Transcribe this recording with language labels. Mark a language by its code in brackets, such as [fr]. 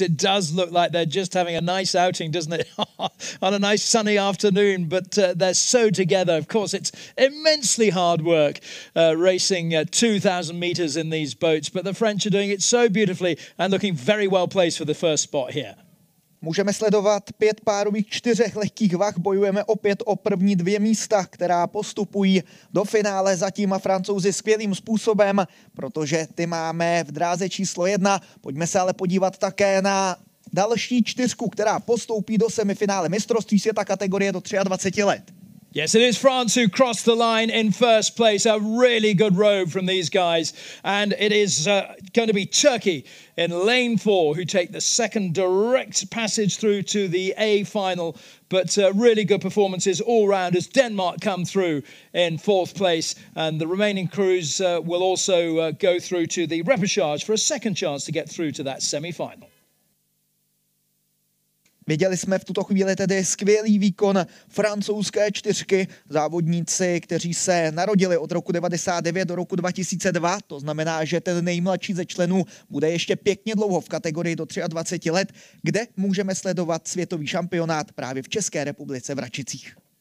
[en] It does look like they're just having a nice outing, doesn't it? On a nice sunny afternoon, but they're so together. Of course, it's immensely hard work racing 2,000 metres in these boats, but the French are doing it so beautifully and looking very well placed for the first spot here. [cs] Můžeme sledovat pět párových čtyřech lehkých vah, bojujeme opět o první dvě místa, která postupují do finále. Zatím Francouzi skvělým způsobem, protože ty máme v dráze číslo jedna. Pojďme se ale podívat také na další čtyřku, která postoupí do semifinále mistrovství světa kategorie do 23 let. [en] Yes, it is France who crossed the line in first place. A really good row from these guys. And it is going to be Turkey in lane four who take the second direct passage through to the A final. But really good performances all round as Denmark come through in fourth place. And the remaining crews will also go through to the repechage for a second chance to get through to that semi-final. [cs] Viděli jsme v tuto chvíli tedy skvělý výkon francouzské čtyřky, závodníci, kteří se narodili od roku 99 do roku 2002, to znamená, že ten nejmladší ze členů bude ještě pěkně dlouho v kategorii do 23 let, kde můžeme sledovat světový šampionát právě v České republice v Račicích.